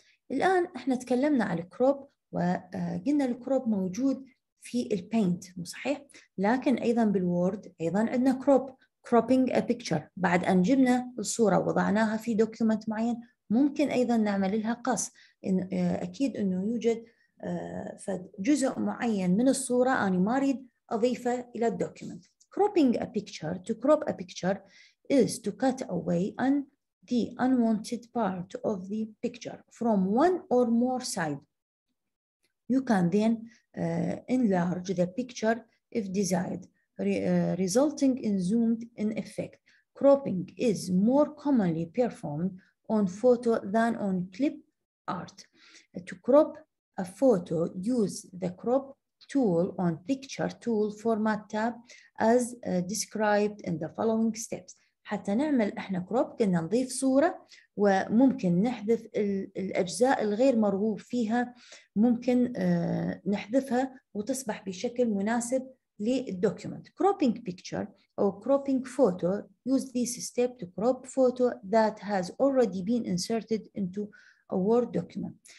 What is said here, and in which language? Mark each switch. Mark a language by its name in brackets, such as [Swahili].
[Arabic] الآن إحنا تكلمنا على الكروب وقلنا الكروب موجود في البينت صحيح، لكن أيضاً بالوورد أيضاً عندنا كروب، كروبينج أ بيكتشر، بعد أن جبنا الصورة وضعناها في دوكيومنت معين ممكن أيضاً نعمل لها قص، أكيد أنه يوجد جزء معين من الصورة أنا ما أريد أضيفه إلى الدوكيومنت. [English] Cropping a picture, to crop a picture is to cut away an the unwanted part of the picture from one or more side. You can then enlarge the picture if desired, resulting in zoomed in effect. Cropping is more commonly performed on photo than on clip art. To crop a photo, use the crop tool on picture tool format tab as described in the following steps. [Arabic] حتى نعمل احنا كروب قلنا نضيف صورة وممكن نحذف الأجزاء الغير مرغوب فيها، ممكن نحذفها وتصبح بشكل مناسب للدوكيومنت. [English] Cropping picture أو cropping photo, use this step to crop photo that has already been inserted into a Word document.